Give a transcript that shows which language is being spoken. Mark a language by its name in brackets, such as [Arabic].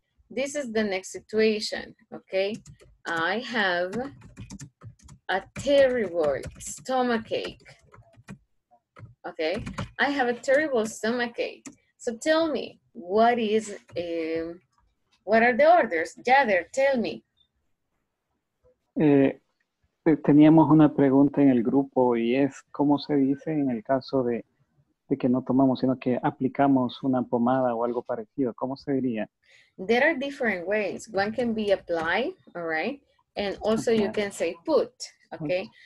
[English] This is the next situation, okay? I have a terrible stomachache. Okay, I have a terrible stomachache. So tell me, what is, what are the orders? Jader, tell me. [Spanish] Teníamos una pregunta en el grupo y es, ¿cómo se dice en el caso de que no tomamos, sino que aplicamos una pomada o algo parecido? ¿Cómo se diría? [English] There are different ways. One can be apply, all right? And also okay. You can say put, okay?